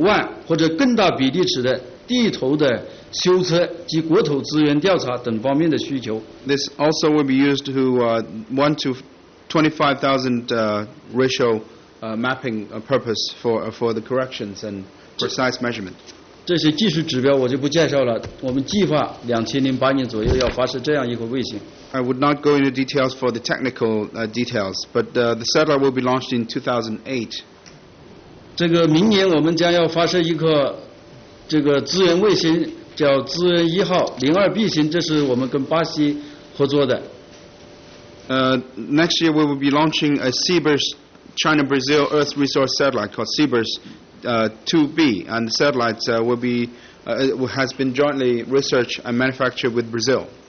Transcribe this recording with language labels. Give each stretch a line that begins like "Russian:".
Chinese: 同时，也要兼顾1:2.5万或者更大比例尺的。地头的修车及国土资源调查等方面的需求。
English: This also will be used to 1:25,000 ratio mapping purpose for the corrections and precise measurement.
Chinese: 这些技术指标我就不介绍了。我们计划2008年左右要发射这样一颗卫星。
English: I would not go into details for the technical details, but the satellite will be launched in 2008.
Chinese: 这个明年我们将要发射一颗。这个资源卫星叫资源一号02B型，这是我们跟巴西合作的。
English: Next year we will be launching a CBERS China Brazil Earth Resource Satellite called CBERS 2B, and the satellite will be has been jointly researched and manufactured with Brazil.